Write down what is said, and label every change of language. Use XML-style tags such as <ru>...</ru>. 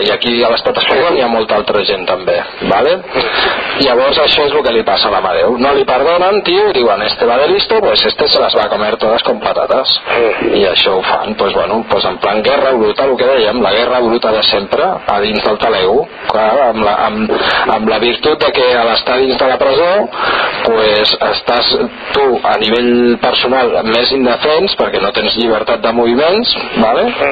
<ca>I aquí a l'estat espanyol hi ha molta altra gent també, vale? Llavors això és el que li passa a l'Amadeu. No li perdonen, tio, diuen,</ca> <es>este va de listo, pues este se las va a comer todas con patatas.</es> <ca>I això ho fan, pues bueno, pues en plan guerra bruta, el que dèiem, la guerra bruta de sempre, a dins del Taleu, clar, amb la virtut de que a l'estar dins de la presó, pues estàs tu a nivell personal més indefens, perquè no tens llibertat de moviments, vale?</ca>